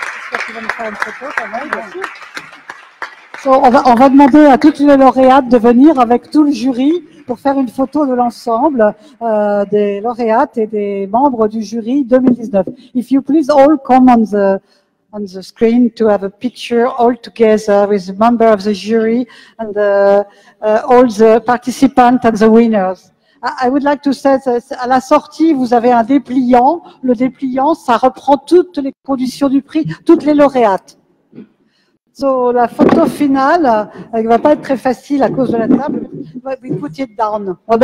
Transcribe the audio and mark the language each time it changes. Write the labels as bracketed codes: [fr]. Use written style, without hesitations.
[fr] J'espère qu'il va me faire un propos quand même, bien sûr. On va demander à toutes les lauréates de venir avec tout le jury pour faire une photo de l'ensemble des lauréates et des membres du jury 2019. [en] If you please all come on the screen to have a picture all together with the member of the jury and all the participants and the winners. I would like to say that [fr] à la sortie, vous avez un dépliant. Le dépliant, ça reprend toutes les conditions du prix, toutes les lauréates. So, la photo finale, elle ne va pas être très facile à cause de la table. [en] We put it down.